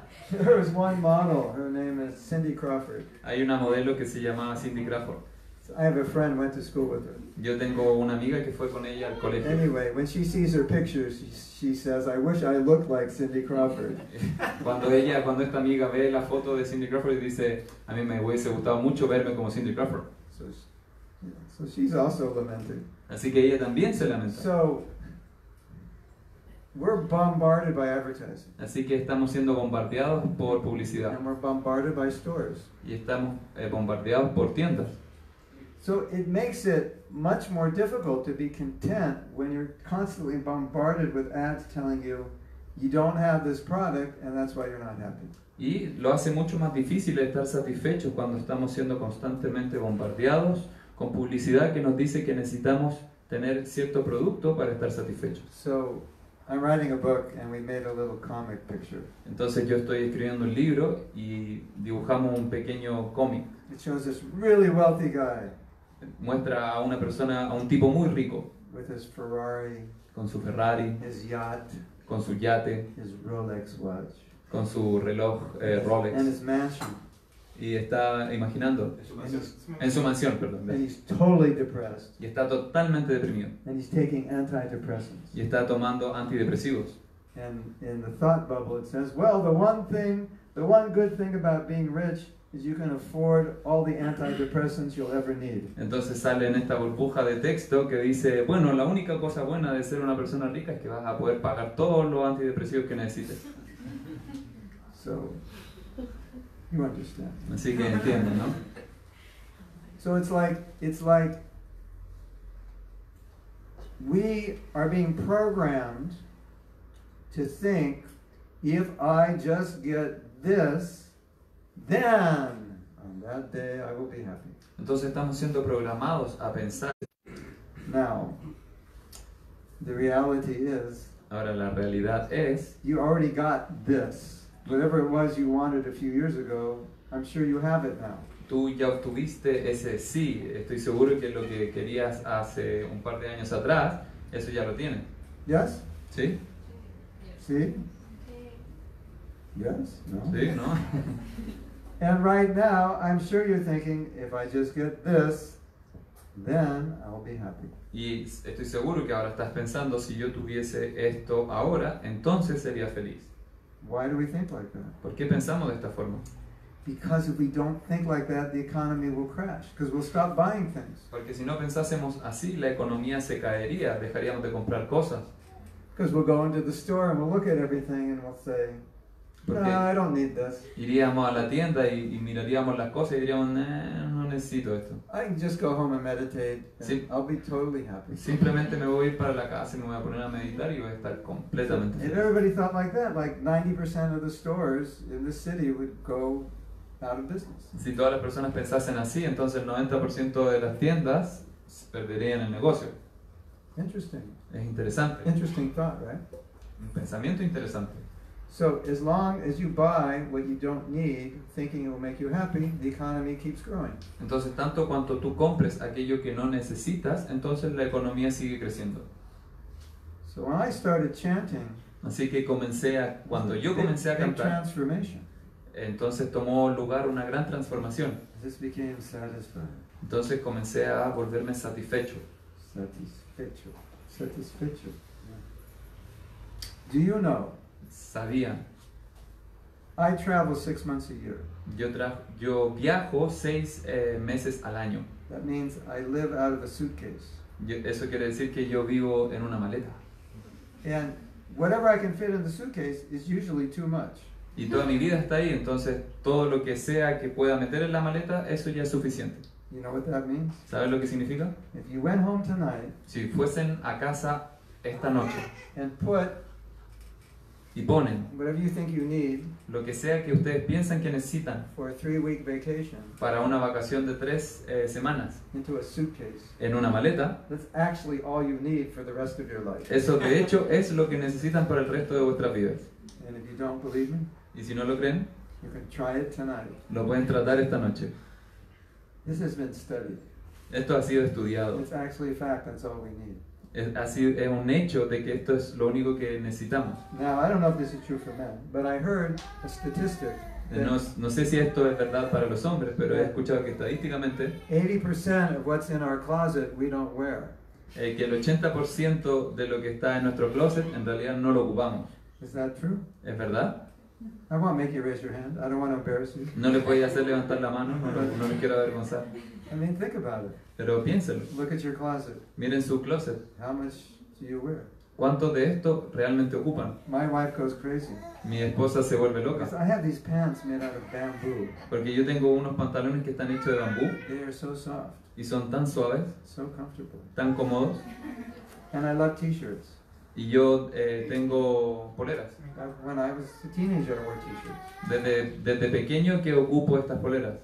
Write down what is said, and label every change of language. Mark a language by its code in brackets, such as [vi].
[en] There was one model, her name is Cindy Crawford. [es] Hay una modelo que se llamaba Cindy Crawford. [en] I have a friend went to school with her. [es] Yo tengo una amiga que fue con ella al colegio. [en] Anyway, when she sees her pictures, she says, "I wish I looked like Cindy Crawford." [es] cuando esta amiga ve la foto de Cindy Crawford, dice, "A mí me hubiese gustado mucho verme como Cindy Crawford." [en] So she's also lamenting. [es] Así que ella también se lamenta. [en] So we're bombarded by advertising. [es] Así que estamos siendo bombardeados por publicidad. [en] And we're bombarded by stores. [es] Y estamos bombardeados por tiendas. [en] So it makes it much more difficult to be content when you're constantly bombarded with ads telling you you don't have this product and that's why you're not happy. [es] Y lo hace mucho más difícil estar satisfecho cuando estamos siendo constantemente bombardeados con publicidad que nos dice que necesitamos tener cierto producto para estar satisfechos. [en] So I'm writing a book and we made a little comic picture. [es] Entonces yo estoy escribiendo un libro y dibujamos un pequeño cómic. [en] It shows this really wealthy guy. [es] Muestra a una persona, a un tipo muy rico. [en] With his Ferrari, [es] con su Ferrari. [en] His yacht, [es] con su yate. [en] His Rolex watch, [es] con su reloj Rolex. [en] And his mansion. [es] Y está imaginando en su mansión, perdón. [en] He's totally depressed. [es] Y está totalmente deprimido. [en] And he's taking antidepressants. [es] Y está tomando antidepresivos. [en] And in the thought bubble it says, well, the one good thing about being rich is you can afford all the antidepressants you'll ever need. [es] Entonces sale en esta burbuja de texto que dice, bueno, la única cosa buena de ser una persona rica es que vas a poder pagar todos los antidepresivos que necesites. [en] So you understand. [es] Así que entienden, ¿no? [en] So it's like we are being programmed to think, if I just get this, then on that day I will be happy. [es] Entonces estamos siendo programados a pensar. [en] Now, the reality is. [es] Ahora la realidad es. [en] You already got this. Whatever it was you wanted a few years ago, I'm sure you have it now. [es] Tú ya obtuviste ese sí. Estoy seguro que lo que querías hace un par de años atrás, eso ya lo tienes. [en] Yes. [es] Sí. Sí. [en] Yes. [es] No. Sí. No. [en] And right now, I'm sure you're thinking, if I just get this, then I'll be happy. [es] Y estoy seguro que ahora estás pensando, si yo tuviese esto ahora, entonces sería feliz. [en] Why do we think like that? [es] ¿Por qué pensamos de esta forma? [en] Because if we don't think like that, the economy will crash, because we'll stop buying things. [es] Porque si no pensásemos así, la economía se caería, dejaríamos de comprar cosas. [en] Because we'll go into the store and we'll look at everything and we'll say, no, I don't need this. [es] Iríamos a la tienda y miraríamos las cosas y diríamos, no necesito esto. [en] I can just go home and meditate and I'll be totally happy. [es] Simplemente me voy a ir para la casa y me voy a poner a meditar y voy a estar completamente feliz. [en] And everybody thought like that, like 90% of the stores in the city would go out of business. [es] Si todas las personas pensasen así, entonces el 90% de las tiendas perderían el negocio. [en] Interesting. [es] Es interesante. [en] Interesting thought, right? [es] Un pensamiento interesante. [en] So as long as you buy what you don't need, thinking it will make you happy, the economy keeps growing. [es] Entonces, tanto cuanto tú compres aquello que no necesitas, entonces la economía sigue creciendo. [en] So when I started chanting, [es] así que comencé a cantar, [en] transformation. [es] Entonces tomó lugar una gran transformación. [en] This became satisfying. [es] Entonces comencé a volverme satisfecho. Satisfecho, satisfecho. [en] Yeah. Do you know? [es] Sabían [en] I travel 6 months a year. [es] Yo viajo 6 meses al año. [en] That means I live out of a suitcase. [es] Eso quiere decir que yo vivo en una maleta. [en] And whatever I can fit in the suitcase is usually too much. [es] Y toda mi vida está ahí, entonces todo lo que sea que pueda meter en la maleta, eso ya es suficiente. [en] You know what that means? [es] ¿Sabes lo que significa? [en] If you went home tonight, [es] si fuesen a casa esta noche, [en] and put, [es] y ponen [en] whatever you think you need, [es] lo que sea que ustedes piensan que necesitan, [en] for a 3-week vacation, [es] para una vacación de 3 semanas, [en] into a suitcase, [es] en una maleta, [en] that's actually all you need for the rest of your life. [es] Eso de hecho es lo que necesitan para el resto de vuestras vidas. [en] And if you don't believe me, [es] y si no lo creen, [en] you can try it tonight. [es] Lo pueden tratar esta noche. [en] This has been studied. [es] Esto ha sido estudiado. [en] It's actually a fact, that's all we need. [es] Es un hecho de que esto es lo único que necesitamos. [en] Now, I don't know if this is true for men, but I heard a statistic. [es] No sé si esto es verdad para los hombres, pero he escuchado que estadísticamente [en] 80% of what's in our closet we don't wear. [es] Que el 80% de lo que está en nuestro closet en realidad no lo ocupamos. [en] Is that true? [es] ¿Es verdad? [en] I won't make you raise your hand. I don't want to embarrass you. [es] No le voy a hacer levantar la mano, no le quiero avergonzar. [en] I mean, think about it. [es] Pero piénselo. [en] Look at your closet. [es] Miren su closet. [en] How much do you wear? [es] ¿Cuánto de esto realmente ocupan? [en] My wife goes crazy. [es] Mi esposa se vuelve loca. [en] I have these pants made out of bamboo. [es] Porque yo tengo unos pantalones que están hechos de bambú. [en] They are so soft. [es] Y son tan suaves. [en] So comfortable. [es] Tan cómodos. [en] And I love t-shirts. [es] Y yo tengo poleras. [en] When I was a teenager, I wore t-shirts. [es] Desde pequeño que ocupo estas poleras.